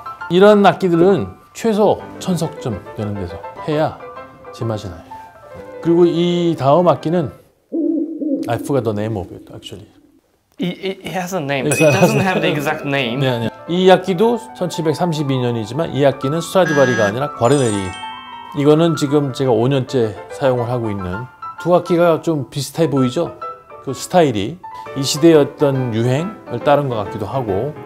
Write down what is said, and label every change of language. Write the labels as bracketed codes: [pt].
[ko] 이런 악기들은 최소 1000석쯤 되는 데서 해야 제맛이 나요. 그리고 이 다음 악기는 [en] I forgot the name of it, actually. It has a name, but it doesn't have the exact name. [ko] 네, 이 악기도 1732년이지만 이 악기는 스트라디바리가 아니라 과르네리. 이거는 지금 제가 5년째 사용을 하고 있는 두 악기가 좀 비슷해 보이죠? 그 스타일이 이 시대의 어떤 유행을 따른 것 같기도 하고